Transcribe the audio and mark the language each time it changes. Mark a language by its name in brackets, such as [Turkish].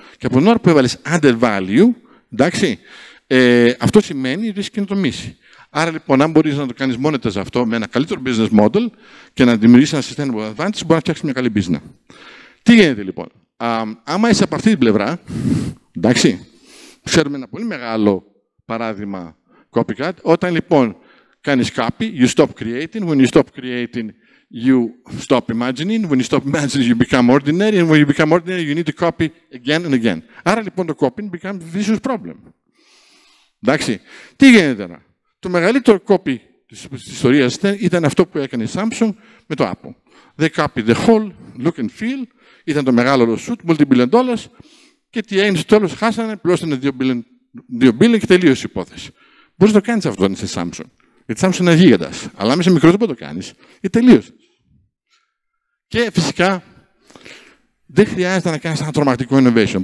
[Greek] Και από την ώρα που έβαλες added value, εντάξει, αυτό σημαίνει ότι έχεις καινοτομήσει. Άρα λοιπόν, αν μπορείς να το κάνεις μόνο αυτό με ένα καλύτερο business model και να δημιουργήσεις ένα sustainable advantage, μπορείς να φτιάξεις μια καλή business. Τι γίνεται λοιπόν. Άμα είσαι από αυτή την πλευρά, εντάξει, ξέρουμε ένα πολύ μεγάλο παράδειγμα copycat. Όταν λοιπόν κάνεις [English] copy, you stop creating. When you stop creating, you stop imagining. When you stop imagining, you become ordinary. And when you become ordinary, you need to copy again and again. [Greek] Άρα λοιπόν το [English] copy becomes a vicious problem. [Greek] Εντάξει. Τι γίνεται τώρα. Το μεγαλύτερο copy της ιστορίας ήταν αυτό που έκανε η Samsung με το Apple. [English] They copy the whole look and feel. [Greek] Ήταν το μεγάλο lawsuit, multi-billion dollars. Και τι έγινε στο τέλος, χάσανε, πληρώσανε 2 billion και τελείωσε η υπόθεση. Μπορείς να το κάνεις αυτό αν είσαι Samsung. Γιατί Samsung είναι γίγαντας. Αλλά μέσα μικρό δεν μπορείς να το κάνεις. Και τελείωσε. Και φυσικά δεν χρειάζεται να κάνεις ένα τρομακτικό innovation.